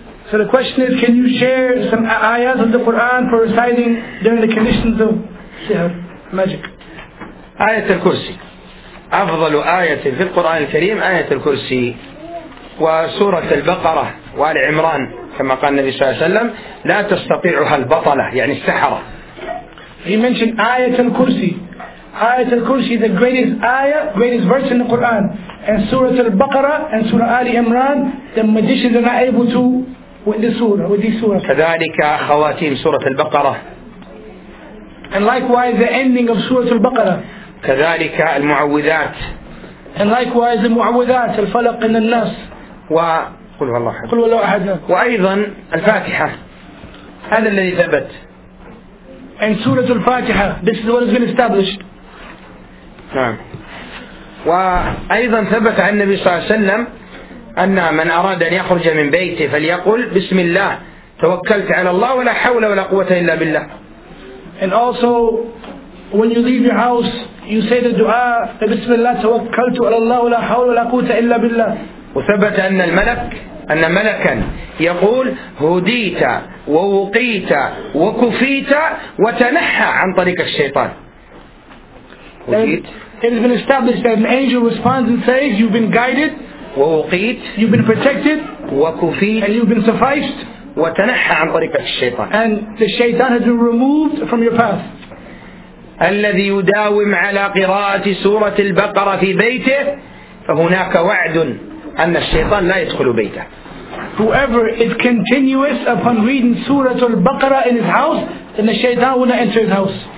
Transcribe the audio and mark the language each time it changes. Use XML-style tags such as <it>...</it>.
<en>So the question is, can you share some ayahs of the Quran for reciting during the conditions of sihr, magic? Ayat al-Kursi.</en> <ar>أفضل آية في القرآن الكريم آية الكرسي وسورة البقرة وآل عمران كما قال النبي صلى الله عليه وسلم لا تستطيعها البطلة يعني السحرة.</ar> <en>He mentioned آية الكرسي. آية الكرسي is the greatest ayah, greatest verse in the Quran. And سورة البقرة and سورة آل عمران, the magicians are not able to with this surah.</en> <ar>كذلك خواتيم سورة البقرة.</ar> <en>And likewise the ending of سورة البقرة.</en> <ar>كذلك المعوذات.</ar> <en>And likewise the</en> <ar>معوذات الفلق من الناس. وقل هو الله أحد. قل هو الله أحد. وأيضا الفاتحة. هذا الذي ثبت.</ar> <en>And سورة الفاتحة. This is what has been established.</en> <ar>نعم. وأيضا ثبت عن النبي صلى الله عليه وسلم أن من أراد أن يخرج من بيته فليقول بسم الله توكلت على الله ولا حول ولا قوة إلا بالله.</ar> <en>And also when you leave your house you say the dua</en> <ar>بسم الله توكلت على الله ولا حول ولا قوة إلا بالله. وثبت أن الملك أن ملكا يقول هديت ووقيت وكفيت وتنحى عن طريق الشيطان.</ar> <en>It has been established that an angel responds and says you've been guided</en> <ar>ووقيت,</ar> <en>you've been protected</en> <ar>وكفيت,</ar> <en>and you've been sufficed</en> <ar>وتنحى عن طريق الشيطان.</ar> <en>And the shaitan has been removed from your path.</en> <ar>الذي يداوم على قراءة سورة البقرة في بيته فهناك وعد أن الشيطان لا يدخل بيته.</ar> <en>Whoever is continuous upon reading سورة البقرة in his house, then the shaitan will not enter his house.</en>